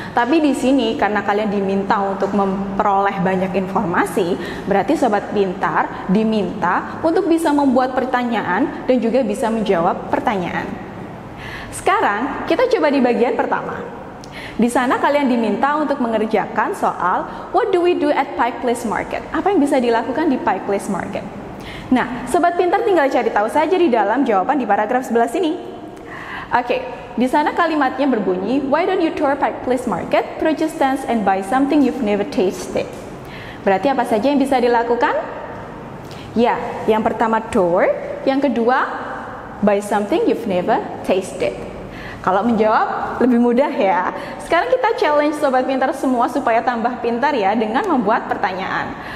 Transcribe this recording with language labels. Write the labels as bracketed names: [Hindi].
[Indonesian] Tapi di sini, karena kalian diminta untuk memperoleh banyak informasi, berarti sobat pintar diminta untuk bisa membuat pertanyaan dan juga bisa menjawab pertanyaan. Sekarang, kita coba di bagian pertama. Di sana kalian diminta untuk mengerjakan soal [English] what do we do at Pike Place Market? [Indonesian] Apa yang bisa dilakukan di Pike Place Market? Nah, sobat pintar tinggal cari tahu saja di dalam jawaban di paragraf sebelah sini. Oke, di sana kalimatnya berbunyi [English] why don't you tour Pike Place Market, purchase stamps and buy something you've never tasted? [Indonesian] Berarti apa saja yang bisa dilakukan? Ya, yang pertama tour, yang kedua [English] buy something you've never tasted. [Indonesian] Kalau menjawab lebih mudah ya. Sekarang kita challenge sobat pintar semua supaya tambah pintar ya dengan membuat pertanyaan.